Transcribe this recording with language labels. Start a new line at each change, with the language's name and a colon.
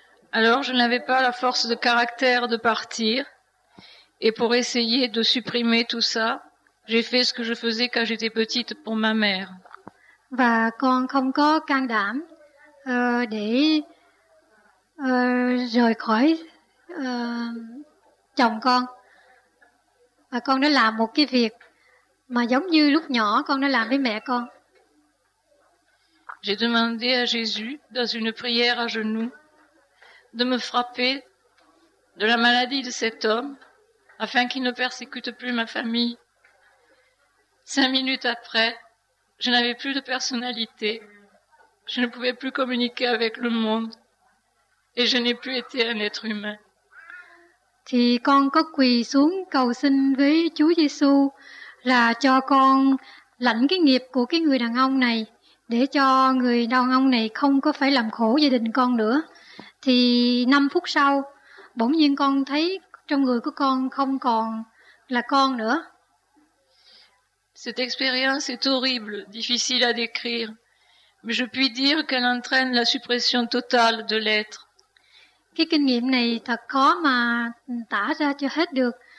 French: Alors je n'avais pas la force de caractère de partir Et pour essayer de supprimer tout ça, j'ai fait ce que je faisais quand j'étais petite pour ma mère.
Vietnamese: Và con không có can đảm để rời khỏi chồng con. Và con đã làm một cái việc mà giống như lúc nhỏ con đã làm với mẹ con.
French: J'ai demandé à Jésus, dans une prière à genoux, de me frapper de la maladie de cet homme afin qu'il ne persécute plus ma famille. Cinq minutes après, je n'avais plus de personnalité. Je ne pouvais plus communiquer avec le monde et je n'ai plus été un être humain.
Vietnamese: Thì con có quỳ xuống cầu xin với Chúa Giêsu là cho con lãnh cái nghiệp của cái người đàn ông này, để cho người đàn ông này không có phải làm khổ gia đình con nữa. Thì 5 phút sau, bỗng nhiên con thấy trong người của con không còn là con nữa.
French: Cette expérience est horrible, difficile à décrire, mais je puis dire qu'elle entraîne la suppression totale de l'être.
Vietnamese: Cái kinh nghiệm này thật khó mà tả ra cho hết được.